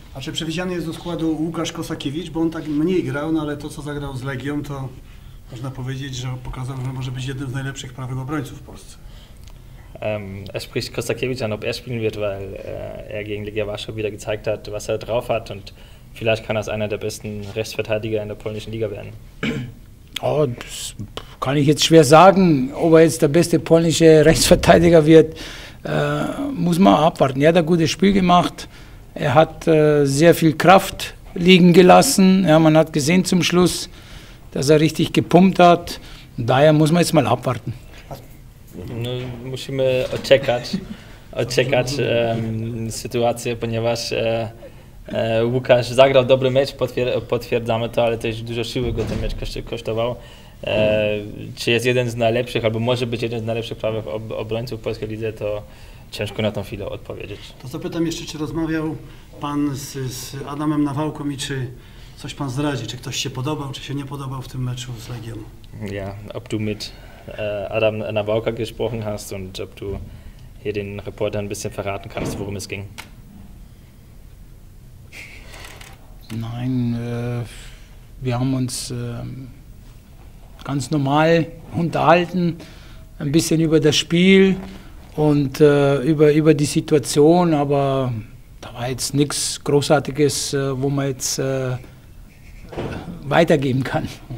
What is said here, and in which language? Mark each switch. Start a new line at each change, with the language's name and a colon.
Polish: A czy przewidziany jest do składu Łukasz Kosakiewicz, bo on tak mniej grał, no ale to co zagrał z Legią, to można powiedzieć, że pokazał, że może być jednym z najlepszych prawych obrońców w Polsce.
German: Er spricht Kosakiewicz an, ob er spielen wird, weil er gegen Legia Warschau wieder gezeigt hat, was er drauf hat und vielleicht kann er einer der besten Rechtsverteidiger in der polnischen Liga werden. Oh, das kann ich jetzt schwer sagen, ob er jetzt der beste polnische Rechtsverteidiger wird. Muss man abwarten. Er hat ein gutes Spiel gemacht, er hat sehr viel Kraft liegen gelassen. Ja, man hat gesehen zum Schluss, dass er richtig gepumpt hat. Daher muss man jetzt mal abwarten.
Polish: No, musimy odczekać sytuację, ponieważ Łukasz zagrał dobry mecz, potwierdzamy to, ale też dużo siły go ten mecz kosztował. Czy jest jeden z najlepszych, albo może być jeden z najlepszych prawych obrońców w polskiej lidze, to ciężko na tą chwilę odpowiedzieć. To zapytam jeszcze, czy rozmawiał pan z Adamem Nawałką i czy coś pan zdradzi, czy ktoś się podobał, czy się nie podobał w tym meczu z Legią?
German: Ja, ob du mit Adam Nawałka gesprochen hast und ob du hier den Reporter ein bisschen verraten kannst, worum es ging. Nein, wir haben uns ganz normal unterhalten, ein bisschen über das Spiel und über die Situation, aber da war jetzt nichts Großartiges, wo man jetzt weitergeben kann.